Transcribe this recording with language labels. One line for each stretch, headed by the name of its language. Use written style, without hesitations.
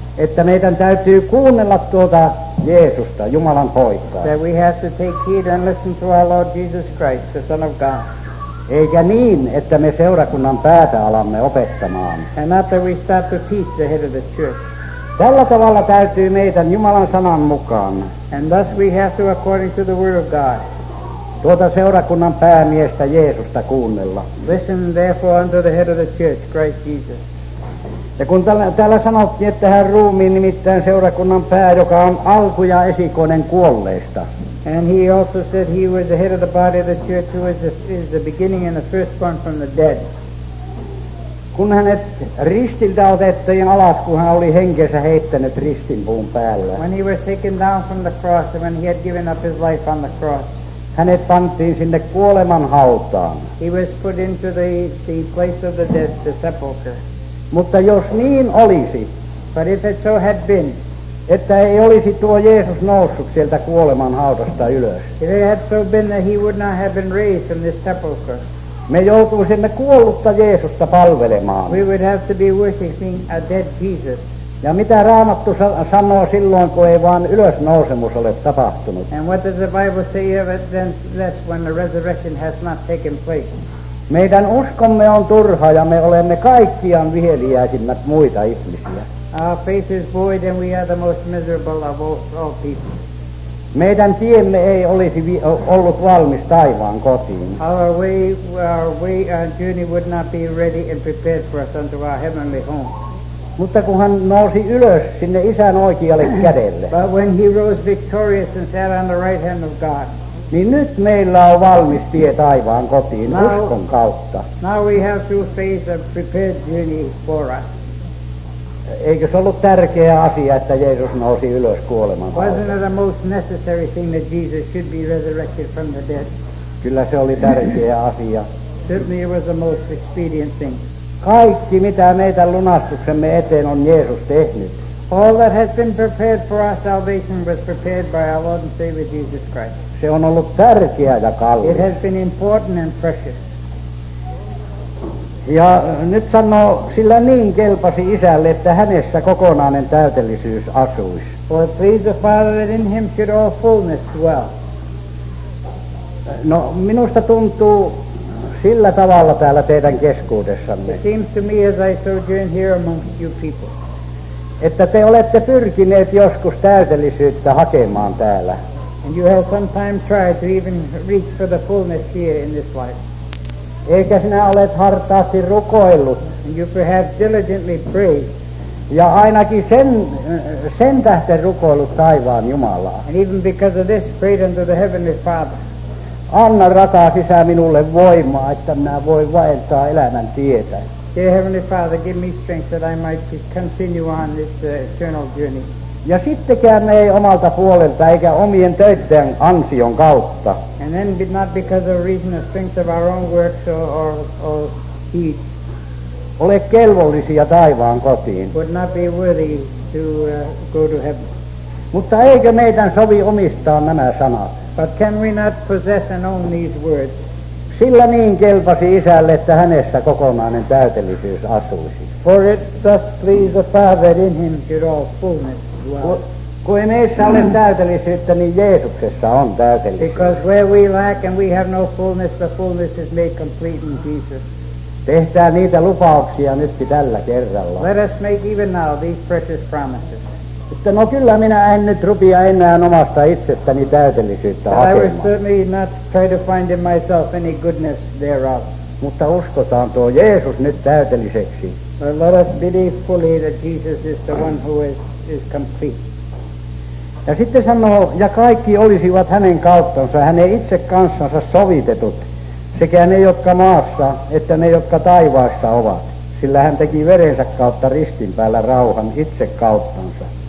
Finnish: Että meidän täytyy kuunnella tuota Jeesusta, Jumalan poikaa.
English: That we have to take heed and listen to our Lord Jesus Christ, the Son of God.
Finnish: Eikä niin, että me seurakunnan päätä alamme opettamaan.
English: And not that we start to teach the head of the church.
Finnish: Tällä tavalla täytyy meidän Jumalan sanan mukaan.
English: And thus we have to, according to the word of God.
Finnish: Tuota seurakunnan päämiestä Jeesusta kuunnella.
English: Listen therefore unto the head of the church, Christ Jesus.
Finnish: Ja kun täällä sanottiin, että hän ruumiin nimittäin seurakunnan pää, joka on alku ja esikoinen kuolleista.
English: And he also said he was the head of the body of the church, who is the beginning and the firstborn from the dead.
Finnish: Kun hänet ristiltä otettiin alas, kun hän oli henkensä heittänyt ristinpuun päällä.
English: When he was taken down from the cross, when he had given up his life on the cross.
Finnish: Hänet pantiin sinne kuoleman hautaan.
English: He was put into the place of the dead, the sepulcher.
Finnish: Mutta jos niin olisi,
English: but if it so had been,
Finnish: että ei olisi tuo Jeesus noussut sieltä kuoleman haudasta ylös,
English: if it had so been that he would not have been raised from this sepulcher,
Finnish: me joutuisimme kuollutta Jeesusta palvelemaan.
English: We would have to be worshiping a dead Jesus.
Finnish: Ja mitä Raamattu sanoo silloin, kun ei vaan ylösnousemus ole tapahtunut?
English: And what does the Bible say ever since when the resurrection has not taken place?
Finnish: Meidän uskomme on turha ja me olemme kaikkiaan viheliäisimmät muita ihmisiä.
English: Our faith is void and we are the most miserable of all people.
Finnish: Meidän tiemme ei olisi ollut valmis taivaan kotiin.
English: Our way, our journey would not be ready and prepared for us unto our heavenly home.
Finnish: Mutta kun hän nousi ylös sinne isän oikealle kädelle.
English: But when he rose victorious and sat on the right hand of God.
Finnish: Niin nyt meillä on valmis tie taivaan kotiin
English: now,
Finnish: uskon kautta.
English: Now we have through faith a prepared journey for us.
Finnish: Eikö se ollut tärkeä asia, että Jeesus nousi ylös kuoleman kautta?
English: Wasn't it the most necessary thing that Jesus should be resurrected from the dead?
Finnish: Kyllä se oli tärkeä asia.
English: Certainly it was the most expedient thing.
Finnish: Kaikki mitä meidän lunastuksemme eteen on Jeesus tehnyt.
English: All that has been prepared for our salvation was prepared by our Lord and Savior Jesus Christ.
Finnish: Se on ollut tärkeä ja kallis.
English: It has been important and precious.
Finnish: Ja nyt sanoo, sillä niin kelpasi isälle, että hänessä kokonainen täydellisyys asuisi.
English: For it pleased the Father that in him should all fullness dwell.
Finnish: No, minusta tuntuu sillä tavalla täällä teidän keskuudessanne.
English: It seems to me as I sojourn here amongst you people.
Finnish: Että te olette pyrkineet joskus täydellisyyttä hakemaan täällä.
English: And you have sometimes tried to even reach for the fullness here in this life.
Finnish: Eikä sinä olet hartaasti rukoillut.
English: And you perhaps diligently prayed.
Finnish: Ja ainakin sen tähden rukoillut taivaan Jumalaa.
English: And even because of this, prayed unto the Heavenly Father.
Finnish: Anna rataa sisään minulle voimaa, että minä voin vaeltaa elämän tietä.
English: Dear Heavenly Father, give me strength that I might continue on this eternal journey.
Finnish: Ja sittenkään ei omalta puolelta eikä omien töiden ansion kautta.
English: And then not because of reason or strength of our own works or heat.
Finnish: Ole kelvollisia taivaan kotiin.
English: Would not be worthy to go to heaven.
Finnish: Mutta eikö meidän sovi omistaa nämä sanat?
English: But can we not possess and own these words?
Finnish: Sillä niin kelpasi isälle, että hänessä kokonainen täydellisyys asuisi.
English: For it thus pleased the Father in him should all fullness dwell.
Finnish: Kun ei meissä ole täydellisyyttä, niin Jeesuksessa on täydellisyys.
English: Because where we lack and we have no fullness, the fullness is made complete in Jesus.
Finnish: Tehdään niitä lupauksia nytkin tällä kerralla.
English: Let us make even now these precious promises.
Finnish: Että no kyllä minä en nyt rupia enää omasta itsestäni täydellisyyttä hakemaan.
English: I will certainly not try to find in myself any goodness thereof.
Finnish: Mutta uskotaan tuo Jeesus nyt täydelliseksi.
English: But let us believe fully that Jesus is the one who is complete.
Finnish: Ja sitten sanoo, ja kaikki olisivat hänen kauttansa, hänen itse kanssansa sovitetut, sekä ne, jotka maassa, että ne, jotka taivaassa ovat. Sillä hän teki verensä kautta ristin päällä rauhan itse kauttansa.